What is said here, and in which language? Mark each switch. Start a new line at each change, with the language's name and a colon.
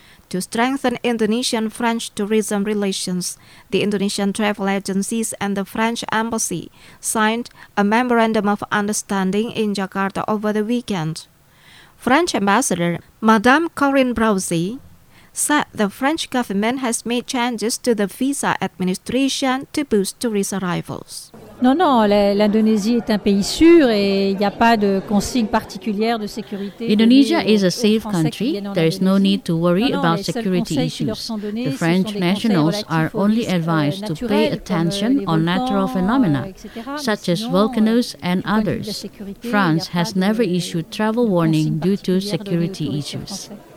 English: To strengthen Indonesian-French tourism relations, the Indonesian travel agencies and the French embassy signed a memorandum of understanding in Jakarta over the weekend. French Ambassador Madame Corinne Brousey said the French government has made changes to the visa administration to boost tourist arrivals.
French: L'Indonésie est un pays sûr et il n'y a pas de consigne particulière de sécurité.
English: Indonesia is a safe country. There is no need to worry about security issues. The French nationals are only advised to pay attention on natural phenomena, such as volcanoes and others. France has never issued travel warning due to security issues.